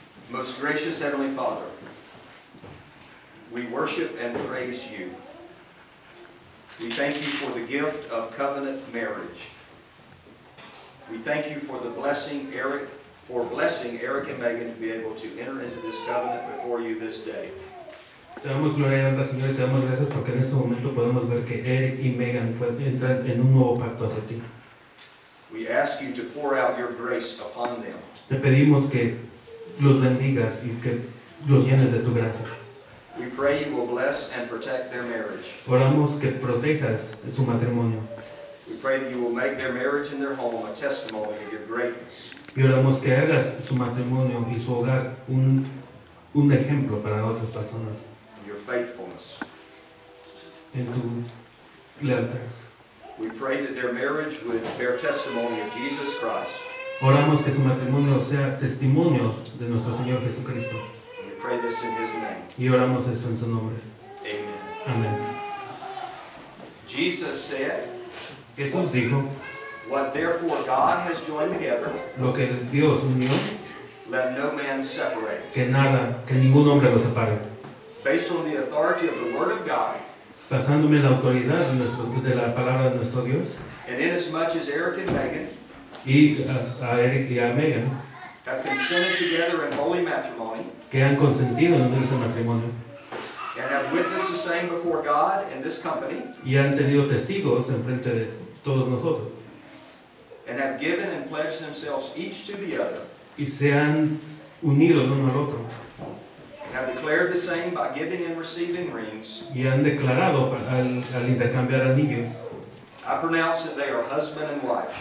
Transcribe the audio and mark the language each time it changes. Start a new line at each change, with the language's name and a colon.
English: Most gracious Heavenly Father, we worship and praise you. We thank you for the gift of covenant marriage. We thank you for the blessing, Eric, for blessing Eric and Megan to be able to enter into this covenant before you this day.
Spanish: Te damos gloria y honra, Señor, y te damos gracias porque en este momento podemos ver que Eric y Megan pueden entrar en un nuevo pacto hacia ti.
English: We ask you to pour out your grace upon them.
Spanish: Te pedimos que los bendigas y que los llenes de tu gracia.
English: We pray you will bless and protect their marriage.
Spanish: Oramos que protejas su matrimonio.
English: We pray that you will make their marriage and their home a testimony of your greatness.
Spanish: Y oramos que hagas su matrimonio y su hogar un ejemplo para otras personas.
English: And your faithfulness.
Spanish: En tu lealtad.
English: We pray that their marriage would bear testimony of Jesus Christ.
Spanish: Oramos que su matrimonio sea testimonio de nuestro Señor Jesucristo.
English: Pray this in his name.
Spanish: Y oramos esto en su nombre.
English: Amen.
Spanish: Amen.
English: Jesus said,
Spanish: Jesús dijo,
English: what therefore God has joined together,
Spanish: lo que Dios unió,
English: let no man separate.
Spanish: Que nada, que ningún hombre lo separe.
English: Based on the authority of the word of God,
Spanish: basándome en la autoridad de, nuestro, de la palabra de nuestro Dios,
English: and in as much as Eric and Megan,
Spanish: y a Eric y a Megan,
English: have consented together in holy matrimony,
Spanish: que han consentido en unirse al matrimonio,
English: and have witnessed the same before God and this company,
Spanish: y han tenido testigos en frente de todos nosotros,
English: and have given and pledged themselves each to the other,
Spanish: y se han unido el uno al otro,
English: and have declared the same by giving and receiving rings,
Spanish: y han declarado al intercambiar anillos,
English: I pronounce that they are husband and wife.